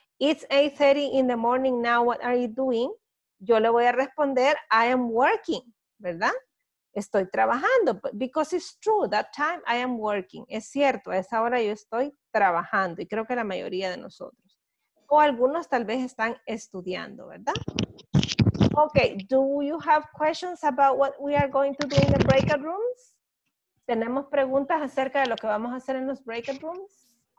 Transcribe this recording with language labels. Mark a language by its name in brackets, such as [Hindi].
[English] It's 8:30 in the morning now, what are you doing? [Spanish] Yo le voy a responder, [English] I am working, [Spanish] ¿verdad? Estoy trabajando. [English] Because it's true, that time I am working. [Spanish] Es cierto, a esa hora yo estoy trabajando. Y creo que la mayoría de nosotros. O algunos tal vez están estudiando, ¿verdad? [English] Okay, do you have questions about what we are going to do in the breakout rooms? [Spanish] ¿Tenemos preguntas acerca de lo que vamos a hacer en los breakout rooms?